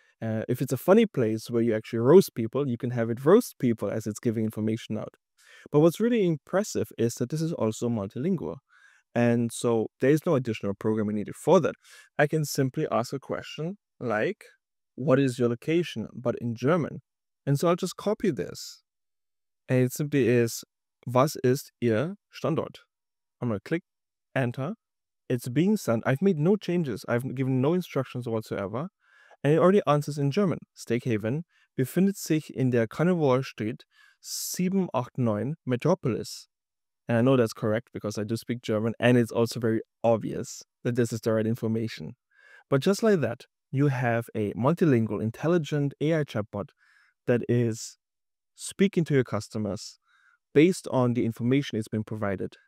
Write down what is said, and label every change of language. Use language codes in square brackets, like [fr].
[en] If it's a funny place where you actually roast people, you can have it roast people as it's giving information out. But what's really impressive is that this is also multilingual. And so there is no additional programming needed for that. I can simply ask a question like, what is your location, but in German? And so I'll just copy this. And it simply is, [de] was ist Ihr Standort? [en] I'm going to click enter. It's being sent. I've made no changes. I've given no instructions whatsoever. And it already answers in German. [de] Steakhaven befindet sich in der Carnival Street 789 Metropolis. [en] And I know that's correct because I do speak German, and it's also very obvious that this is the right information. But just like that, you have a multilingual, intelligent AI chatbot that is speaking to your customers based on the information it's been provided.